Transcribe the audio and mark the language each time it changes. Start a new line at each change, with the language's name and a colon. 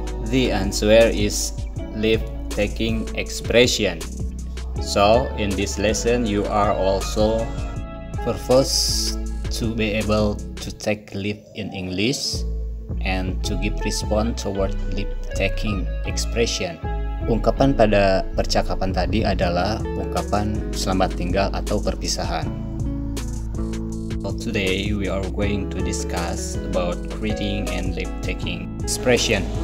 English: The answer is leave-taking expression. So, in this lesson, you are also purpose to be able to take leave in English and to give response toward leave-taking expression.
Indonesian: Ungkapan pada percakapan tadi adalah ungkapan selamat tinggal atau perpisahan.
English: So today we are going to discuss about greeting and leave-taking expression.